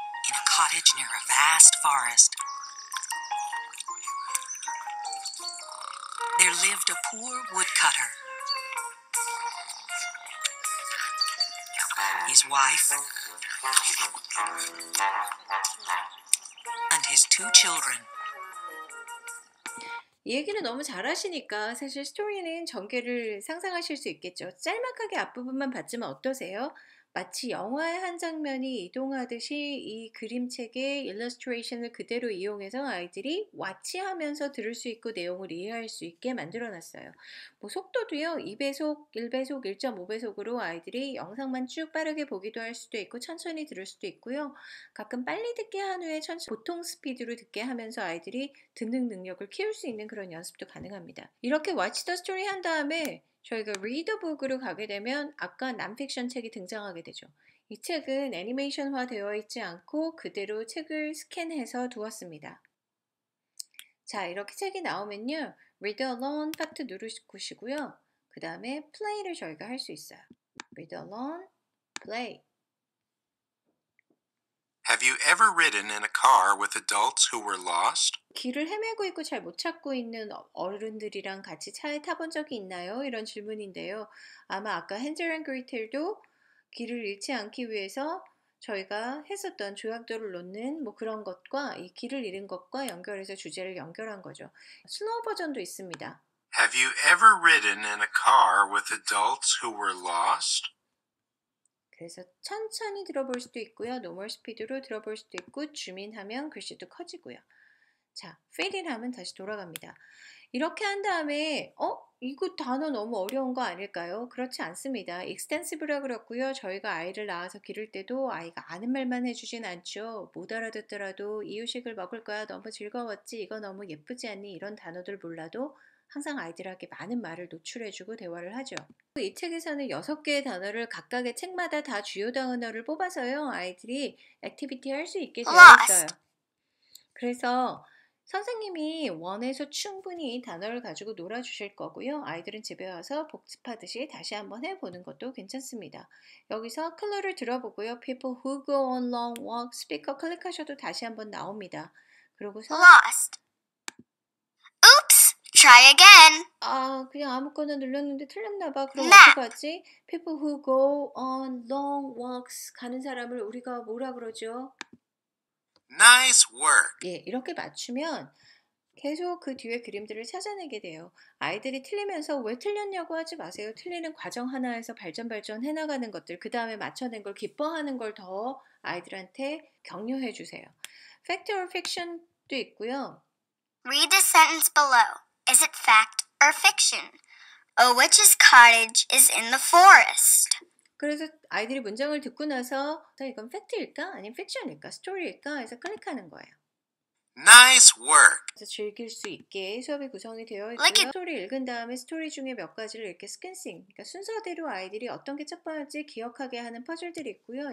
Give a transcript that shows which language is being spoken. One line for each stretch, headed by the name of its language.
English: In a cottage near a vast forest, there lived a poor woodcutter. His wife and his two children.
Korean: 이 얘기는 너무 잘하시니까 사실 스토리는 전개를 상상하실 수 있겠죠. 짤막하게 앞부분만 봤지만 어떠세요? 마치 영화의 한 장면이 이동하듯이 이 그림책의 일러스트레이션을 그대로 이용해서 아이들이 와치하면서 들을 수 있고 내용을 이해할 수 있게 만들어놨어요. 뭐 속도도요. 2배속, 1배속, 1.5배속으로 아이들이 영상만 쭉 빠르게 보기도 할 수도 있고 천천히 들을 수도 있고요. 가끔 빨리 듣게 한 후에 천천히 보통 스피드로 듣게 하면서 아이들이 듣는 능력을 키울 수 있는 그런 연습도 가능합니다. 이렇게 Watch the Story 한 다음에 저희가 리더북으로 가게 되면 아까 난픽션 책이 등장하게 되죠. 이 책은 애니메이션화 되어 있지 않고 그대로 책을 스캔해서 두었습니다. 자, 이렇게 책이 나오면요. Read Along 파트 누르시고요. 그 다음에 플레이를 저희가 할 수 있어요.
English: Read Along, Play. Have you ever ridden in a car with adults who were lost?
Korean: 길을 헤매고 있고 잘 못 찾고 있는 어른들이랑 같이 차에 타본 적이 있나요? 이런 질문인데요. 아마 아까 Hansel and Gretel도 길을 잃지 않기 위해서 저희가 했었던 조약돌을 놓는 뭐 그런 것과 이 길을 잃은 것과 연결해서 주제를 연결한 거죠. 슬로우 버전도 있습니다.
English: Have you ever ridden in a car with adults who were lost?
Korean: 그래서 천천히 들어볼 수도 있고요. 노멀 스피드로 들어볼 수도 있고 줌인하면 글씨도 커지고요. 자, 페일인하면 다시 돌아갑니다. 이렇게 한 다음에 이거 단어 너무 어려운 거 아닐까요? 그렇지 않습니다. 익스텐시브라 그렇고요. 저희가 아이를 낳아서 기를 때도 아이가 아는 말만 해주진 않죠. 못 알아듣더라도 이유식을 먹을 거야. 너무 즐거웠지. 이거 너무 예쁘지 않니? 이런 단어들 몰라도 항상 아이들에게 많은 말을 노출해주고 대화를 하죠. 이 책에서는 6개의 단어를 각각의 책마다 다 주요 단어를 뽑아서요. 아이들이 액티비티 할 수 있게 되었어요. 그래서 선생님이 원해서 충분히 단어를 가지고 놀아주실 거고요. 아이들은 집에 와서 복습하듯이 다시 한번 해보는 것도 괜찮습니다. 여기서 클루를 들어보고요.
English: People who go on long walks,
Korean: 스피커 클릭하셔도 다시 한번 나옵니다. 그러고서
English: Lost. Oops! try again.
Korean: 아, 그냥 아무거나 눌렀는데 틀렸나 봐. 그럼 네. 어떡하지?
English: People who go on long walks
Korean: 가는 사람을 우리가 뭐라 그러죠?
English: Nice work.
Korean: 예, 이렇게 맞추면 계속 그 뒤에 그림들을 찾아내게 돼요. 아이들이 틀리면서 왜 틀렸냐고 하지 마세요. 틀리는 과정 하나에서 발전 해나가는 것들, 그 다음에 맞춰낸 걸 기뻐하는 걸 더 아이들한테 격려해 주세요. Fact or fiction도 있고요.
English: Read the sentence below. Is it fact or fiction? A witch's cottage is in the forest.
Korean: 그래서 아이들이 문장을 듣고 나서 이건 팩트일까? 아니면 픽션일까? 스토리일까? 해서 클릭하는 거예요.
English: Nice work.
Korean: 그래서 즐길 수 있게 수업이 구성이 되어 있고요. 스토리 읽은 다음에 스토리 중에 몇 가지를 이렇게 스캔싱. 그러니까 순서대로 아이들이 어떤 게 첫 번째 기억하게 하는 퍼즐들이 있고요.